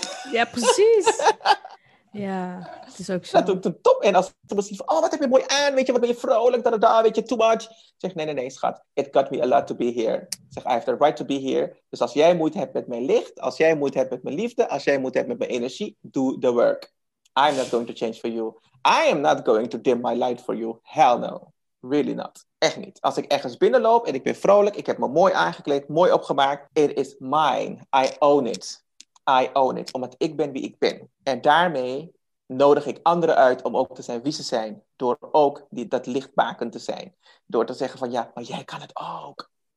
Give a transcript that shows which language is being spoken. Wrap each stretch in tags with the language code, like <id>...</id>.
<nl>Ja, precies. Ja, het is ook Dat doe zo. ik de top. En als ze misschien van, oh, wat heb je mooi aan, weet je, wat ben je vrolijk, da-da-da, weet je,</nl> <en>too much.</en> <nl>Ik zeg, nee, schat,</nl> <en>it got me a lot to be here.</en> <nl>Ik zeg,</nl> <en>I have the right to be here.</en> <nl>Dus als jij moeite hebt met mijn licht, als jij moeite hebt met mijn liefde, als jij moeite hebt met mijn energie,</nl> <en>do the work. I'm not going to change for you. I am not going to dim my light for you. Hell no. Really not.</en> <nl>Echt niet. Als ik ergens binnenloop en ik ben vrolijk, ik heb me mooi aangekleed, mooi opgemaakt,</nl> <en>it is mine. I own it.</en> <nl>I own it. Omdat ik ben wie ik ben. En daarmee nodig ik anderen uit om ook te zijn wie ze zijn. Door ook dat lichtbaken te zijn. Door te zeggen van ja, maar jij kan het ook.</nl>